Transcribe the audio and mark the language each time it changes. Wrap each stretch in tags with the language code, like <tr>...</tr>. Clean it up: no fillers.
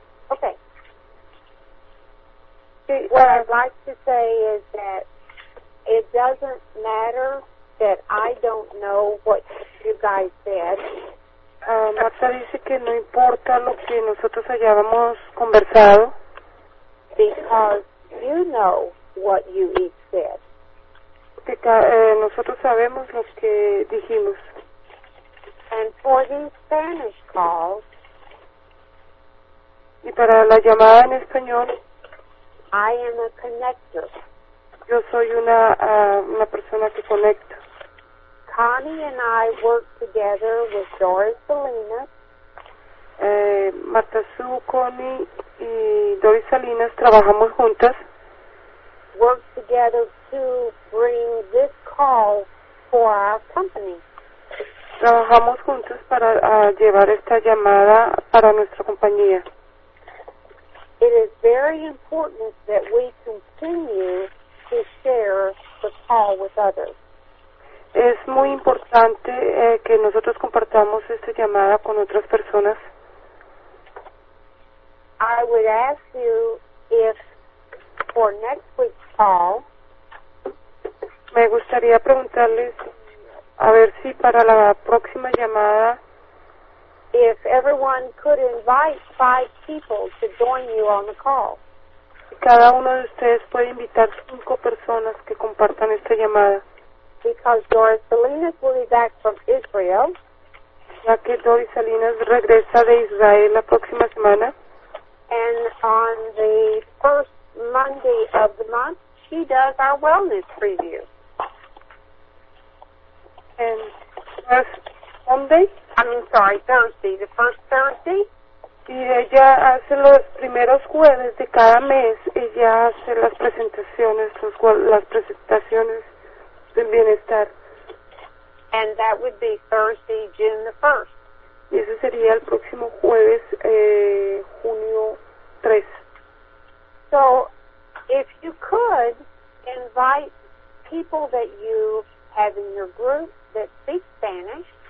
<en>Okay. What I'd like to say is that it doesn't matter that I don't know what you guys said.</en> <es>Marta dice que no importa lo que nosotros hayamos conversado.</es> <en>Because you know what you each said.</en> <es>Nosotros sabemos lo que dijimos.</es> <en>And for these Spanish calls.</en> <es>Y para la llamada en español.</es> <en>I am a connector.</en> <es>Yo soy una persona que conecta.</es> <en>Connie and I work together with Doris Salinas.</en> <es>Marta Sue, Connie y Doris Salinas trabajamos juntas.</es> <en>Work together to bring this call for our company.</en> <es>Trabajamos juntos para llevar esta llamada para nuestra compañía.</es> <en>It is very important that we continue to share the call with others.</en> <es>Es muy importante que nosotros compartamos esta llamada con otras personas.</es> <en>I would ask you if for next week's call.</en> <es>Me gustaría preguntarles a ver si para la próxima llamada.</es> <en>If everyone could invite 5 people to join you on the call.</en> <es>Cada uno de ustedes puede invitar 5 personas que compartan esta llamada.</es> <en>Because Doris Salinas will be back from Israel.</en> <es>Ya que Doris Salinas regresa de Israel la próxima semana.</es> <en>And on the first Monday of the month, she does our wellness preview. And first Monday? Thursday, the first Thursday.</en> <es>Y ella hace los primeros jueves de cada mes, ella hace las presentaciones, las presentaciones del bienestar.</es> <en>And that would be Thursday, June the 1st.</en> <es>Y ese sería el próximo jueves, junio 3.</es> <en>So, if you could invite people that you have in your group that speak Spanish.</en>